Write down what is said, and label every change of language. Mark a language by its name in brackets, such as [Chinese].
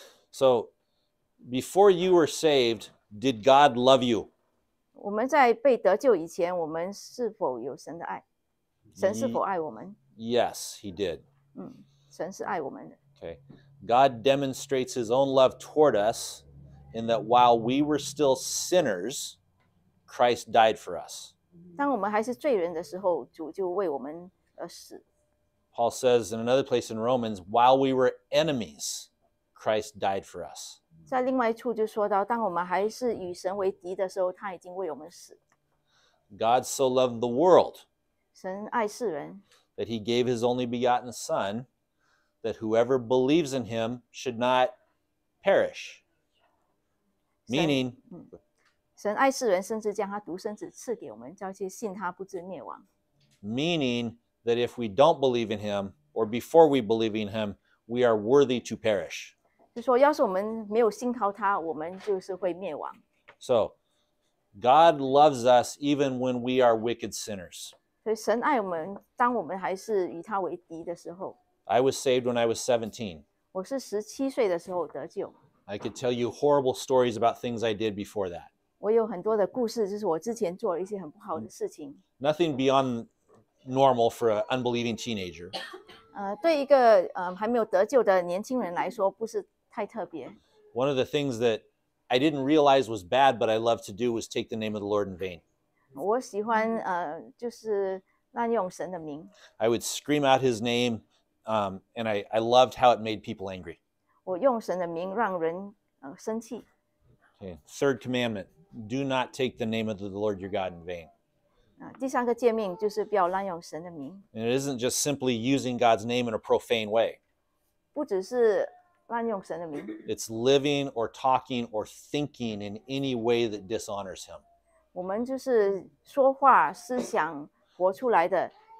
[English] So, before you were saved, did God love you? [Chinese] 我们在被得救以前，我们是否有神的爱？神是否爱我们？ [English] Yes, he did. [Chinese] 神是爱我们的。 [English] Okay. God demonstrates his own love toward us in that while we were still sinners, Christ died for us. [Chinese] 当我们还是罪人的时候，主就为我们而死。 [English] Paul says in another place in Romans, while we were enemies, Christ died for us. [Chinese] 在另外一处就说到，当我们还是与神为敌的时候，他已经为我们死。 [English] God so loved the world, [Chinese] 神爱世人, [English] that he gave his only begotten Son, that whoever believes in him should not perish. Meaning, [Chinese] 神爱世人，甚至将他独生子赐给我们，叫一切信他不至灭亡。 [English] Meaning that if we don't believe in him, or before we believe in him, we are worthy to perish. [Chinese] 就说要是我们没有信靠他，我们就是会灭亡。 [English] So, God loves us even when we are wicked sinners. [Chinese] 所以神爱我们，当我们还是与他为敌的时候。 [English] I was saved when I was 17. [Chinese] 我是17岁的时候得救。 [English] I could tell you horrible stories about things I did before that. [Chinese] 我有很多的故事，就是我之前做了一些很不好的事情。 [English] Nothing beyond normal for an unbelieving teenager. [Chinese] 对一个还没有得救的年轻人来说，不是太特别。 [English] One of the things that I didn't realize was bad, but I loved to do was take the name of the Lord in vain. [Chinese] 我喜欢就是滥用神的名。 [English] I would scream out his name, and I loved how it made people angry. [Chinese] 我用神的名让人生气。 [English] Okay. Third commandment, do not take the name of the Lord your God in vain. [Chinese] 第三个诫命就是不要滥用神的名。 [English] And it isn't just simply using God's name in a profane way. [Chinese] 不只是滥用神的名。 [English] It's living or talking or thinking in any way that dishonors him. [Chinese] 我们就是说话、思想活出来的，